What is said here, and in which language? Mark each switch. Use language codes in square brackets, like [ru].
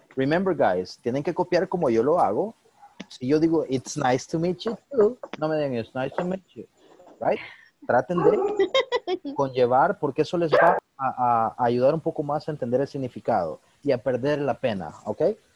[en] Remember, guys, [es] tienen que copiar como yo lo hago. Si yo digo, [en] it's nice to meet you too, [es] no me digan, [en] it's nice to meet you. Right? [es] Traten de conllevar, porque eso les va a ayudar un poco más a entender el significado y a perder la pena, okay?